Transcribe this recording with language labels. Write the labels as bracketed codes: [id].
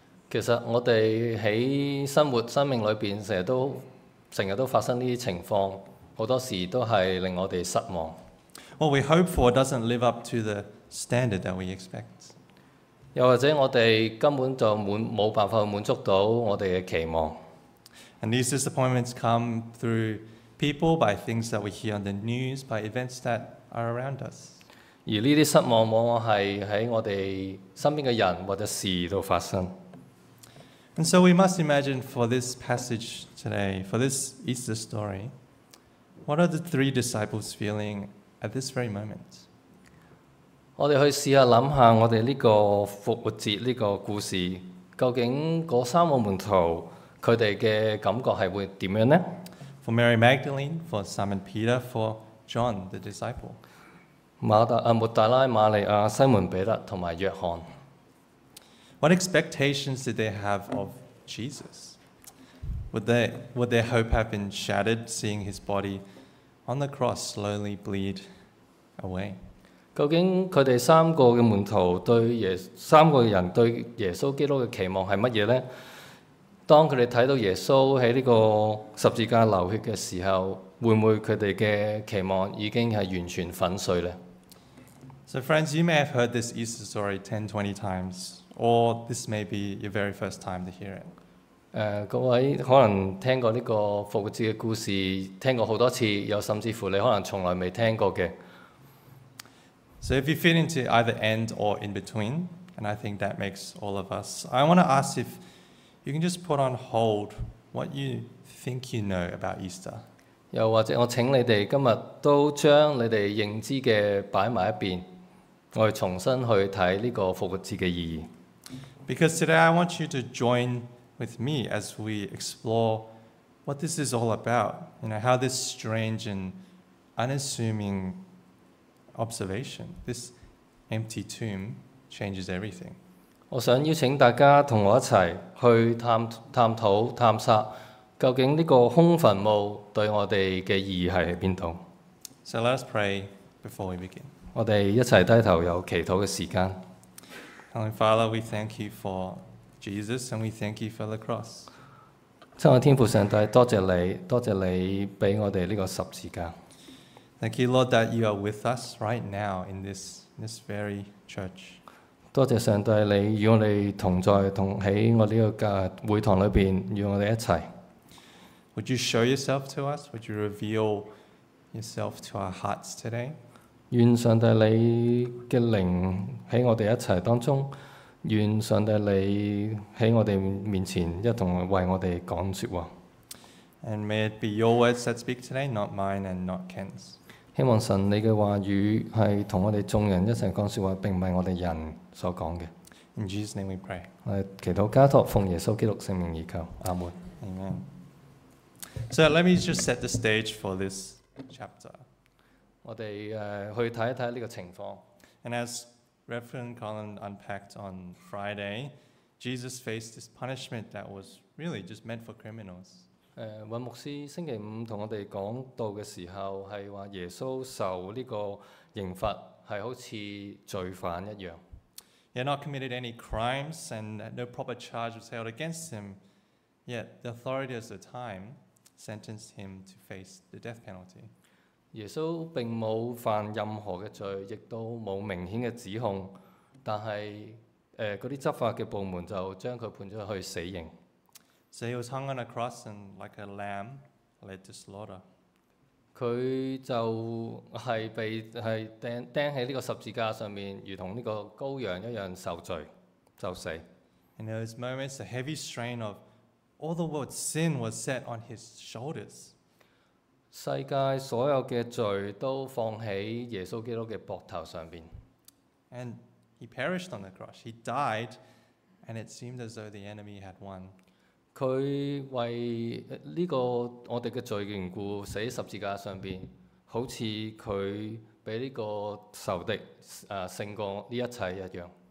[yue] 其實我們在生活、生命裡面經常都發生這些情況，很多時候都是令我們失望。 [en] What we hope for doesn't live up to the standard that we expect. [yue] 又或者我們根本就沒有辦法滿足到我們的期望。 [en] And these disappointments come through people, by things that we hear on the news, by events that are around us. [yue] 而呢啲失望往往係喺我哋身邊嘅人或者事度發生。 [en] And so we must imagine for this passage today, for this Easter story, what are the three disciples feeling at this very moment? [yue] 我哋去試下諗下我哋呢個復活節呢個故事，究竟嗰三個門徒佢哋嘅感覺係會點樣呢？ [en] For Mary Magdalene, for Simon Peter, for John the disciple. [yue] 抹大拉、瑪利亞、西門彼得同埋約翰。 [en] What expectations did they have of Jesus? Would their hope have been shattered seeing his body on the cross slowly bleed away? [yue] 究竟佢哋三個嘅門徒對耶三個人對耶穌基督嘅期望係乜嘢咧？當佢哋睇到耶穌喺呢個十字架流血嘅時候，會唔會佢哋嘅期望已經係完全粉碎咧 [en] ？So friends, you may have heard this Easter story 10-20 times, or this may be your very first time to hear it. [yue] 各位可能聽過呢個復活節嘅故事，聽過好多次，又甚至乎你可能從來未聽過嘅。 [en] So if you fit into either end or in between, and I think that makes all of us, I want to ask if you can just put on hold what you think you know about Easter. [yue] 又或者我請你哋今日都將你哋認知嘅擺埋一邊，我哋重新去睇呢個復活節嘅意義。 [en] Because today I want you to join with me as we explore what this is all about. You know, how this strange and unassuming observation, this empty tomb, changes everything. [yue] 我想邀請大家同我一齊去探索究竟呢個空墳墓對我哋嘅意義係喺邊度。 [en] So let's pray before we begin. [yue] 我哋一齊低頭有祈禱嘅時間。 [en] Heavenly Father, we thank you for Jesus and we thank you for the cross. [yue] 親愛天父上帝，多謝你，多謝你俾我哋呢個十字架。 [en] Thank you, Lord, that you are with us right now in this very church. [yue] 多謝上帝，你與我哋同在，同喺我呢個會堂裏邊，與我哋一齊。 [en] Would you show yourself to us? Would you reveal yourself to our hearts today? [yue] 願上帝你嘅靈喺我哋一齊當中，願上帝你喺我哋面前一同為我哋講説話。 [en] And may it be your words that speak today, not mine and not Ken's. [yue] 希望神你嘅話語係同我哋眾人一齊講説話，並唔係我哋人。所講嘅。 [en] In Jesus' name we pray. [yue] 我哋祈禱加托奉耶穌基督聖名而求，阿門。 [en] Amen. So let me just set the stage for this chapter. [yue] 我哋去睇一睇呢個情況。 [en] And as Reverend Colin unpacked on Friday, Jesus faced this punishment that was really just meant for criminals. [yue] 尹牧師星期五同我哋講到嘅時候，係話耶穌受呢個刑罰係好似罪犯一樣。 [en] He had not committed any crimes and no proper charge was held against him, yet the authorities at the time sentenced him to face the death penalty. [yue] 耶穌並沒有犯任何的罪，亦都沒有明顯的指控，但是那些執法的部門就將他判了去死刑。 [en] So he was hung on a cross and like a lamb led to slaughter. [yue] 他就是被是釘在這個十字架上面，如同這個羔羊一樣受罪，就死。 [en] And in those moments, the heavy strain of All the world's sin was set on his shoulders. [yue] 世界所有嘅罪都放喺耶稣基督嘅膊头上边。 [en] And he perished on the cross. He died, and it seemed as though the enemy had won. [yue] 佢为呢个我哋嘅罪缘故死喺十字架上边，好似佢俾呢个仇敌胜过呢一切一样。